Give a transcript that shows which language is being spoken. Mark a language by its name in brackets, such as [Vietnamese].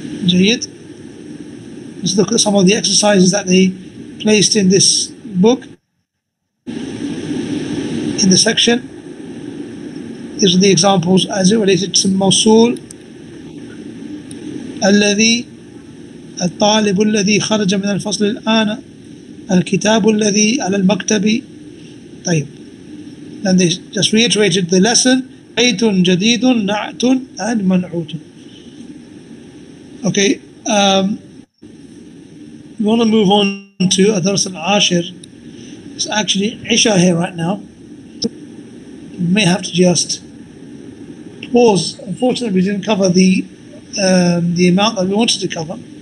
[English] Jayyid. Let's look at some of the exercises that they placed in this book, in the section. These are the examples as it related to Mawsool. [Arabic] الذي الطالب الذي خرج من الفصل الآن الكتاب الذي على المكتب. طيب. [English] Then they just reiterated the lesson. [Arabic] بيت جديد نعت and منعوت. [English] Okay. We want to move on to [Arabic] الدرس العاشر. [English] It's actually Isha here right now. We may have to just pause. Unfortunately, we didn't cover the amount that we wanted to cover.